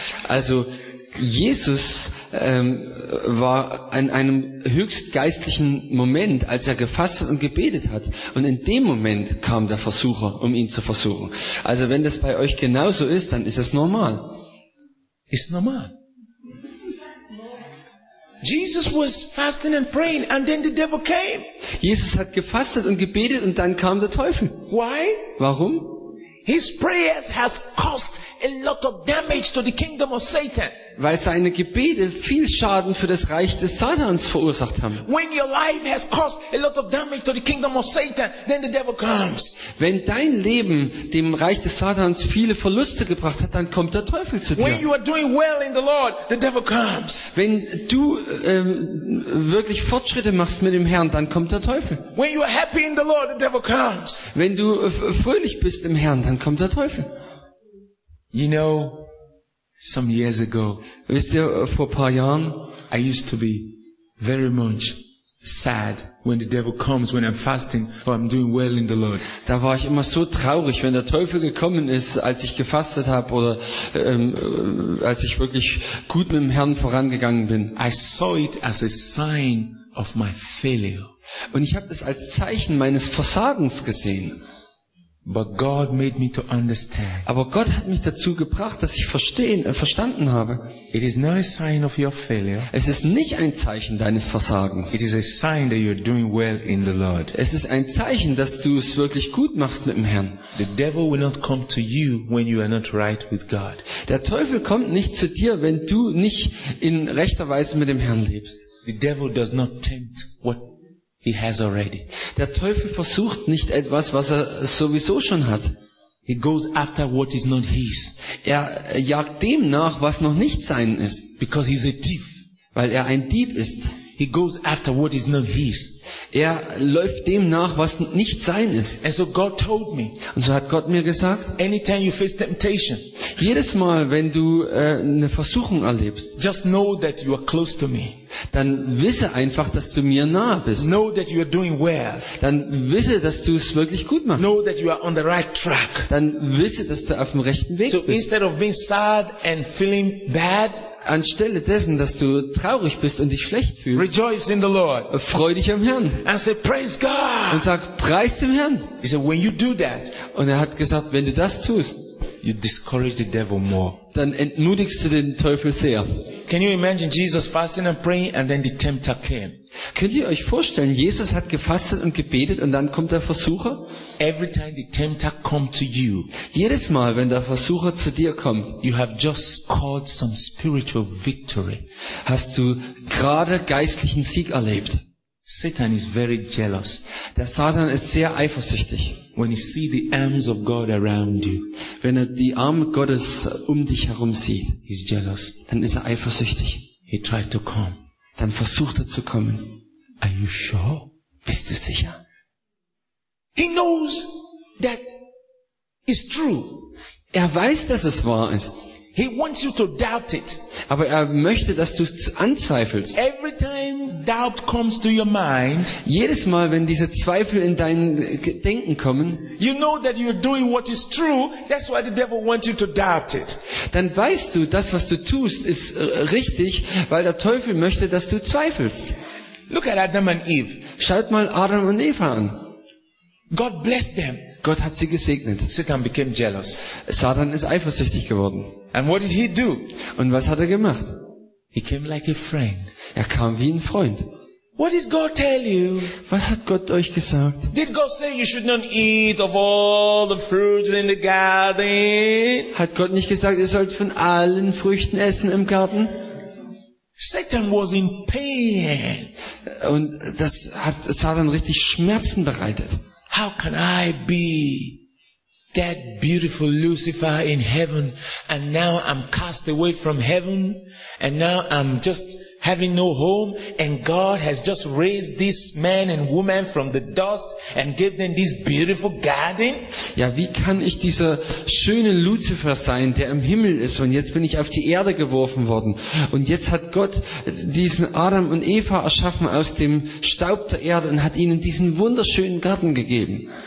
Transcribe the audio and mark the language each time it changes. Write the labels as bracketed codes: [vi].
[de] Also, Jesus war in einem höchst geistlichen Moment, als er gefastet und gebetet hat. Und in dem Moment kam der Versucher, um ihn zu versuchen. Also wenn das bei euch genauso ist, dann ist es normal. Ist normal. [en] Jesus was fasting and praying and then the devil came. [de] Jesus hat gefastet und gebetet und dann kam der Teufel. [en] Why? [de] Warum? [en] His prayers has caused a lot of damage to the kingdom of Satan. [de] Weil seine Gebete viel Schaden für das Reich des Satans verursacht haben. [en] When your life has caused a lot of damage to the kingdom of Satan, then the devil comes. [de] Wenn dein Leben dem Reich des Satans viele Verluste gebracht hat, dann kommt der Teufel zu dir. [en] When you are doing well in the Lord, the devil comes. [de] Wenn du wirklich Fortschritte machst mit dem Herrn, dann kommt der Teufel. [en] When you are happy in the Lord, the devil comes. [de] Wenn du fröhlich bist im Herrn, dann kommt der Teufel. [en] You know, some years ago, [de] wisst ihr, vor ein paar Jahren, [en] I used to be very much sad when the devil comes when I'm fasting or I'm doing well in the Lord. [de] Da war ich immer so traurig, wenn der Teufel gekommen ist, als ich gefastet habe oder als ich wirklich gut mit dem Herrn vorangegangen bin. [en] I saw it as a sign of my failure. [de] Und ich habe das als Zeichen meines Versagens gesehen. [en] But God made me to understand. [de] Aber Gott hat mich dazu gebracht, dass ich verstanden habe. [en] It is not a sign of your failure. [de] Es ist nicht ein Zeichen deines Versagens. [en] It is a sign that you're doing well in the Lord. [de] Es ist ein Zeichen, dass du es wirklich gut machst mit dem Herrn. [en] The devil will not come to you when you are not right with God. [de] Der Teufel kommt nicht zu dir, wenn du nicht in rechter Weise mit dem Herrn lebst. [en] The devil does not tempt what he has already. [de] Der Teufel versucht nicht etwas, was er sowieso schon hat. [en] He goes after what is not his. [de] Er jagt dem nach, was noch nicht sein ist. [en] Because he's a thief. [de] Weil er ein Dieb ist. [en] He goes after what is not his. [de] Er läuft dem nach, was nicht sein ist. [en] And so God told me. [de] Und so hat Gott mir gesagt. [en] Anytime you face temptation. [de] Jedes Mal, wenn du eine Versuchung erlebst. [en] Just know that you are close to me. [de] Dann wisse einfach, dass du mir nahe bist. [en] Know that you are doing well. [de] Dann wisse, dass du es wirklich gut machst. [en] Know that you are on the right track. [de] Dann wisse, dass du auf dem rechten Weg so bist. [en] Instead of being sad and feeling bad. [de] Anstelle dessen, dass du traurig bist und dich schlecht fühlst, [en] rejoice in the Lord. [de] Freu dich am Herrn. [en] And say, praise God. [de] Und sag, preis dem Herrn. [en] He said, when you do that, [de] und er hat gesagt, wenn du das tust, [en] you discourage the devil more. [de] Dann entmutigst du den Teufel sehr. [en] Can you imagine Jesus fasting and praying and then the tempter came? [de] Könnt ihr euch vorstellen, Jesus hat gefastet und gebetet und dann kommt der Versucher? [en] Every time the tempter comes to you. [de] Jedes Mal, wenn der Versucher zu dir kommt, [en] you have just scored some spiritual victory. [de] Hast du gerade geistlichen Sieg erlebt? [en] Satan is very jealous. [de] Der Satan ist sehr eifersüchtig. [en] When he see the arms of God around you. [de] Wenn er die Arme Gottes um dich herum sieht, [en] he's jealous. [de] Dann ist er eifersüchtig. [en] He tried to come. [de] Dann versucht er zu kommen. [en] Are you sure? [de] Bist du sicher? [en] He knows that is true. [de] Er weiß, dass es wahr ist. [en] He wants you to doubt it. [de] Aber er möchte, dass du es anzweifelst. [en] Every time doubt comes to your mind, [de] jedes Mal, wenn diese Zweifel in dein Denken kommen, [en] you know that you're doing what is true. That's why the devil wants you to doubt it. [de] Dann weißt du, das, was du tust, ist richtig, weil der Teufel möchte, dass du zweifelst. [en] Look at Adam and Eve. [de] Schaut mal Adam und Eva an. [en] God blessed them. [de] Gott hat sie gesegnet. [en] Satan became jealous. [de] Satan ist eifersüchtig geworden. [en] And what did he do? [de] Und was hat er gemacht? [en] He came like a friend. [de] Er kam wie ein Freund. [en] What did God tell you? [de] Was hat Gott euch gesagt? [en] Did God say you should not eat of all the fruits in the garden? [de] Hat Gott nicht gesagt, ihr sollt von allen Früchten essen im Garten? [en] Satan was in pain. [de] Und das hat Satan richtig Schmerzen bereitet. [en] How can I be that beautiful Lucifer in heaven and now I'm cast away from heaven and now I'm just having no home and God has just raised this man and woman from the dust and gave them this beautiful garden? [de] Ja, wie kann ich dieser schöne Lucifer sein, der im Himmel ist und jetzt bin ich auf die Erde geworfen worden und jetzt hat Gott diesen Adam und Eva erschaffen aus dem Staub der Erde und hat ihnen diesen wunderschönen Garten gegeben.